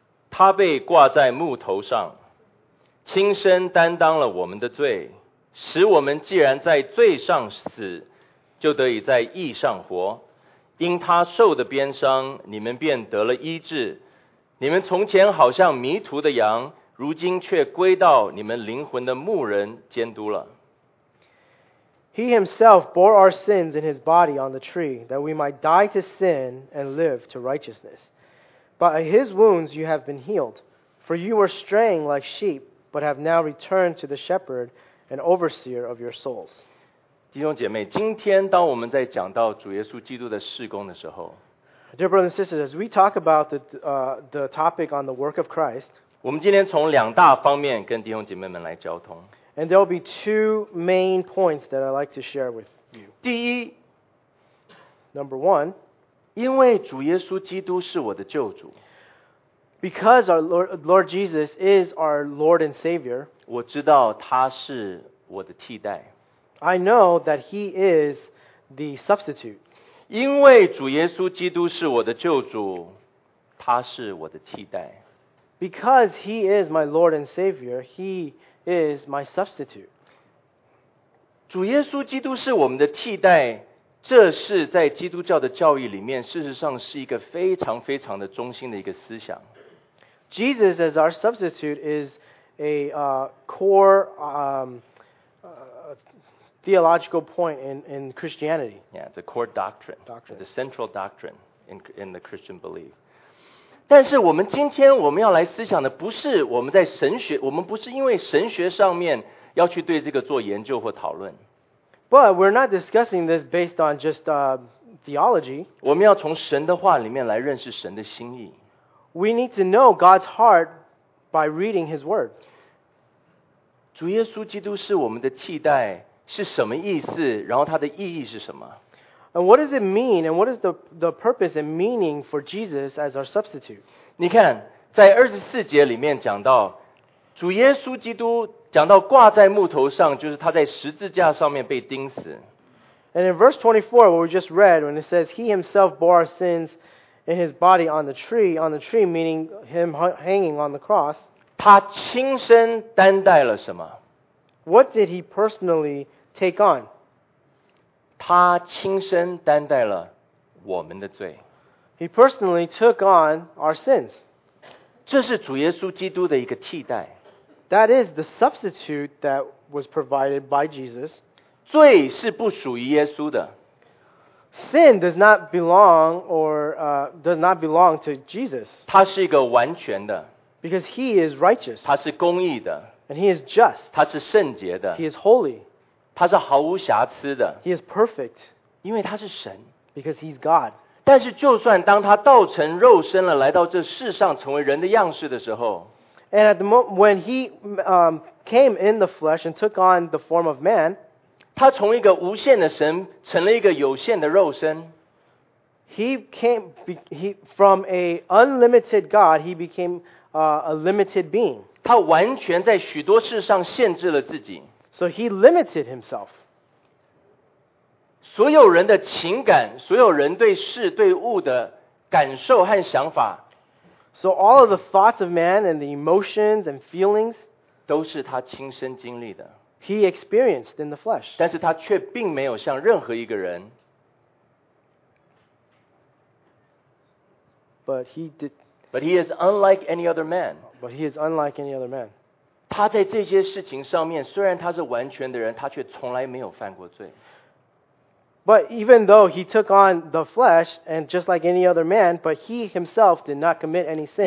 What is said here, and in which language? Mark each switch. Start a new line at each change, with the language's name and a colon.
Chinese: 他被挂在木头上，亲身担当了我们的罪，使我们既然在罪上死，就得以在义上活。因他受的鞭伤，你们便得了医治。你们从前好像迷途的羊，如今却归到你们灵魂的牧人监督了。
English: He himself bore our sins in his body on the tree, that we might die to sin and live to righteousness. By his wounds you have been healed, for you were straying like sheep, but have now returned to the shepherd and overseer of your souls.
Chinese: 弟兄姐妹，今天当我们在讲到主耶稣基督的事工的时候，
English: Dear brothers and sisters, as we talk about the topic on the work of Christ,
Chinese: 我们今天从两大方面跟弟兄姐妹们来交通。
English: And there will be two main points that I'd like to share with you.
Chinese: 第一
English: Number one,
Chinese: 因为主耶稣基督是我的救主。
English: Because our Lord Jesus is our Lord and Savior,
Chinese: 我知道他是我的替代。
English: I know that he is the substitute.
Chinese: 因为主耶稣基督是我的救主，他是我的替代。
English: Because he is my Lord and Savior, he is my substitute.
Chinese: 主耶稣基督是我们的替代，这是在基督教的教义里面，事实上是一个非常非常的中心的一个思想。
English: Jesus as our substitute is a core theological point in Christianity. Yeah, it's a core doctrine. Doctrine. It's a central doctrine in the Christian belief.
Chinese: 但是我们今天我们要来思想的不是我们在神学，我们不是因为神学上面要去对这个做研究或讨论。
English: But we're not discussing this based on just theology.
Chinese: 我们要从神的话里面来认识神的心意。
English: We need to know God's heart by reading His word.
Chinese: 主耶稣基督是我们的替代。是什么意思？然后它的意义是什么
English: ？And what does it mean? And what is the purpose and meaning for Jesus as our substitute?
Chinese: 你看，在二十四节里面讲到主耶稣基督，讲到挂在木头上，就是他在十字架上面被钉死。
English: And in verse 24, what we just read, when it says he himself bore our sins in his body on the tree, meaning him hanging on the cross.
Chinese: 他亲身担待了什么？
English: What did he personally take on?
Chinese: 他亲身担待了我们的罪。
English: He personally took on our sins.
Chinese: 这是主耶稣基督的一个替代。
English: That is the substitute that was provided by Jesus.
Chinese: 罪是不属于耶稣的。
English: Sin does not belong to Jesus.
Chinese: 他是一个完全的。
English: Because he is righteous.
Chinese: 他是公义的。
English: And he is just.
Chinese: 他是圣洁的。
English: He is holy.
Chinese: 他是毫无瑕疵的。
English: He is perfect.
Chinese: 因为他是神。
English: Because he's God.
Chinese: 但是就算当他道成肉身了，来到这世上成为人的样式的时候。
English: And at the moment when he came in the flesh and took on the form of man.
Chinese: 他从一个无限的神成了一个有限的肉身。
English: He became a limited being.
Chinese: 他完全在许多事上限制了自己。
English: So he limited himself.
Chinese: 所有人的情感，所有人对事对物的感受和想法。
English: So all of the thoughts of man and the emotions and feelings.
Chinese: 都是他亲身经历的。
English: He experienced in the flesh.
Chinese: 但是他却并没有向任何一个人。
English: But he did. But he is unlike any other man. But he is unlike any other man.
Chinese: 他在这些事情上面，虽然他是完全的人，他却从来没有犯过罪。
English: But even though he took on the flesh and just like any other man, but he himself did not commit any sin.